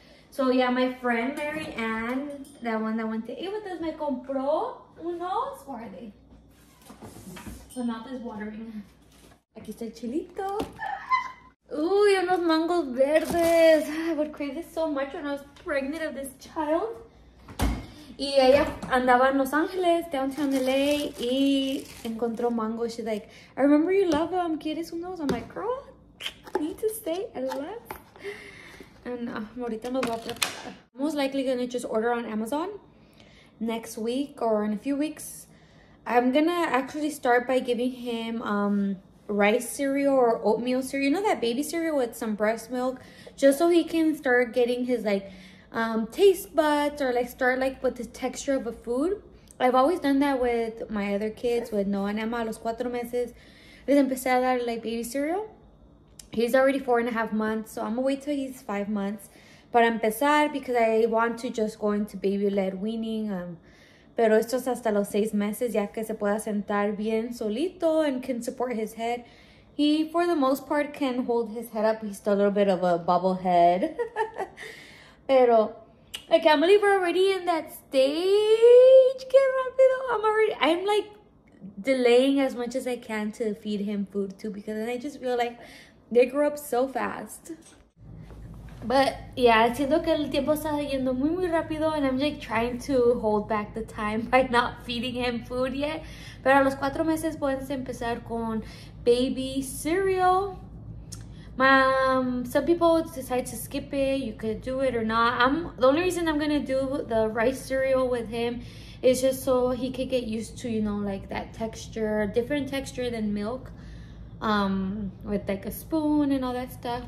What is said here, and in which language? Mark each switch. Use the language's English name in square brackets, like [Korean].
[English] So yeah, my friend Mary Ann, that one that went to eat with us, [Spanish] me compró unos. [English] Where are they? My mouth is watering. [Spanish] Aquí está el chilito. [English] Ooh, you know, [Spanish] mangos verdes. [English] I would crave this so much when I was pregnant of this child. [Spanish] Y ella andaba en Los Angeles, [English] downtown LA, [Spanish] y encontró mangos. [English] She's like, I remember you love them. [Spanish] ¿Quieres unos? [English] I'm like, girl, I need to stay alive. And [Spanish] ahorita nos va a preparar. [English] Most likely gonna just order on Amazon next week or in a few weeks. I'm gonna actually start by giving him rice cereal or oatmeal cereal, you know, that baby cereal with some breast milk, just so he can start getting his like taste buds, or like start like with the texture of a food. I've always done that with my other kids, with Noah and Emma. [Spanish] Los cuatro meses les empecé a dar [English] like baby cereal. He's already 4.5 months, so I'm gonna wait till he's 5 months [Spanish] para empezar, [English] because I want to just go into baby led weaning. [Spanish] Pero esto es hasta los 6 meses, ya que se pueda sentar bien solito [English] and can support his head. He, for the most part, can hold his head up. He's still a little bit of a bobblehead. [Spanish] Pero, [English] I can't believe we're already in that stage. [Spanish] Qué rápido. [English] I'm like delaying as much as I can to feed him food too, because then I just feel like they grow up so fast. But yeah, [Spanish] siento que el tiempo está yendo muy muy rápido, [English] and I'm like trying to hold back the time by not feeding him food yet. [Spanish] Pero a los 4 meses puedes empezar con [English] baby cereal. Some people decide to skip it. You could do it or not. The only reason I'm gonna do the rice cereal with him It's just so he could get used to, you know, like that texture, different texture than milk, with like a spoon and all that stuff.